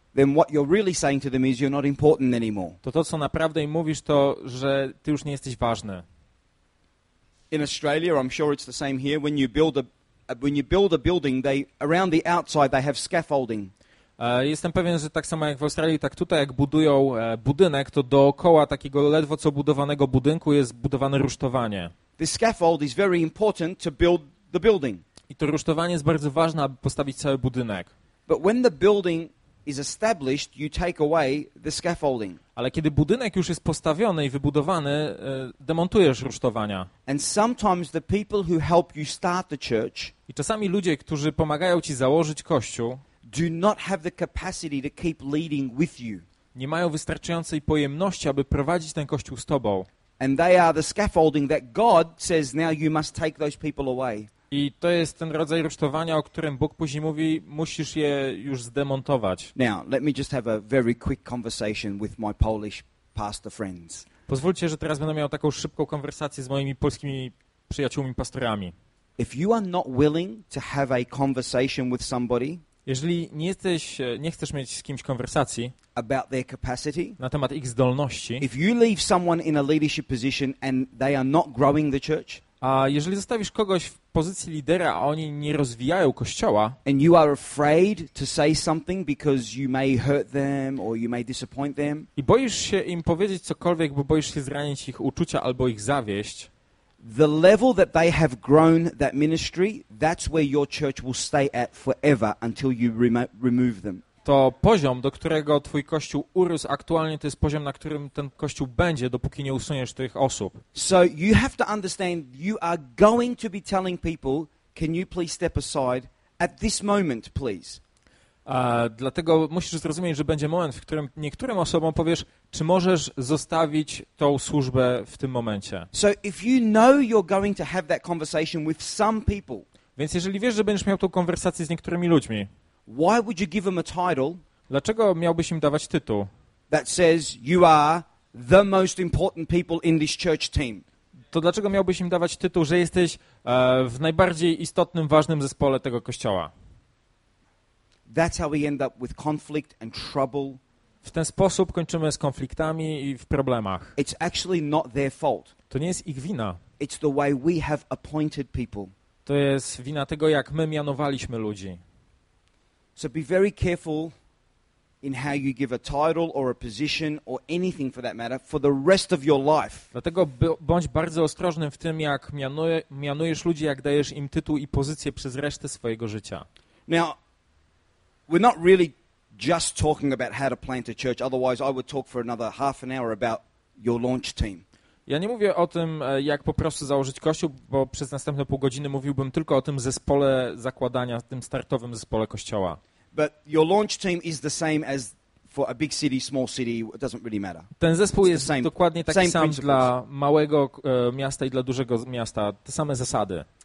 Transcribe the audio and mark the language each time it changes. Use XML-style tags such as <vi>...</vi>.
<en>then what you're really saying to them is you're not important anymore.</en> <pl>To co naprawdę im mówisz, to że ty już nie jesteś ważny.</pl> <en>In Australia, I'm sure it's the same here, when you build a building, they around the outside they have scaffolding.</en> <pl>Jestem pewien, że tak samo jak w Australii, tak tutaj, jak budują budynek, to dookoła takiego ledwo co budowanego budynku jest budowane rusztowanie.</pl> <en>The scaffold is very important to build the building.</en> <pl>I to rusztowanie jest bardzo ważne, aby postawić cały budynek.</pl> <en>But when the building is established, you take away the scaffolding.</en> <pl>Ale kiedy budynek już jest postawiony i wybudowany, demontujesz rusztowania.</pl> <en>And sometimes the people who help you start the church,</en> <pl>i czasami ludzie, którzy pomagają ci założyć kościół,</pl> <en>do not have the capacity to keep leading with you.</en> <pl>Nie mają wystarczającej pojemności, aby prowadzić ten kościół z tobą.</pl> <en>And they are the scaffolding that God says now you must take those people away.</en> <pl>I to jest ten rodzaj rusztowania, o którym Bóg później mówi, musisz je już zdemontować.</pl> <en>Now, let me just have a very quick conversation with my Polish pastor friends.</en> <pl>Pozwólcie, że teraz będę miał taką szybką konwersację z moimi polskimi przyjaciółmi pastorami.</pl> <en>If you are not willing to have a conversation with somebody,</en> <pl>jeżeli nie chcesz mieć z kimś konwersacji</pl> <en>about their capacity,</en> <pl>na temat ich zdolności,</pl> <en>if you leave someone in a leadership position and they are not growing the church,</en> <pl>A jeżeli zostawisz kogoś w pozycji lidera, a oni nie rozwijają kościoła,</pl> <en>and you are afraid to say something because you may hurt them or you may disappoint them,</en> <pl>i boisz się im powiedzieć cokolwiek, bo boisz się zranić ich uczucia albo ich zawieść,</pl> <en>the level that they have grown that ministry, that's where your church will stay at forever until you remove them.</en> <pl>To poziom, do którego twój kościół urósł aktualnie, to jest poziom, na którym ten kościół będzie, dopóki nie usuniesz tych osób.</pl> <en>So you have to understand, you are going to be telling people, can you please step aside at this moment, please?</en> <pl>Dlatego musisz zrozumieć, że będzie moment, w którym niektórym osobom powiesz, czy możesz zostawić tą służbę w tym momencie.</pl> <en>So if you know you're going to have that conversation with some people,</en> <pl>więc jeżeli wiesz, że będziesz miał tą konwersację z niektórymi ludźmi,</pl> <en>why would you give them a title?</en> <pl>Dlaczego miałbyś im dawać tytuł?</pl> <en>That says you are the most important people in this church team.</en> <pl>To dlaczego miałbyś im dawać tytuł, że jesteś w najbardziej istotnym, ważnym zespole tego kościoła?</pl> <en>That's how we end up with conflict and trouble.</en> <pl>W ten sposób kończymy z konfliktami i w problemach.</pl> <en>It's actually not their fault.</en> <pl>To nie jest ich wina.</pl> <en>It's the way we have appointed people.</en> <pl>To jest wina tego, jak my mianowaliśmy ludzi.</pl> <en>So be very careful in how you give a title or a position or anything for that matter for the rest of your life.</en> <pl>Dlatego bądź bardzo ostrożny w tym, jak mianujesz ludzi, jak dajesz im tytuł i pozycję przez resztę swojego życia.</pl> <en>Now, we're not really just talking about how to plant a church, otherwise I would talk for another half an hour about your launch team.</en> <pl>Ja nie mówię o tym, jak po prostu założyć kościół, bo przez następne pół godziny mówiłbym tylko o tym zespole zakładania, tym startowym zespole kościoła.</pl> <en>But your launch team is the same as for a big city, small city, it doesn't really matter.</en> <pl>Ten zespół jest dokładnie taki sam dla małego miasta i dla dużego miasta, te same zasady.</pl>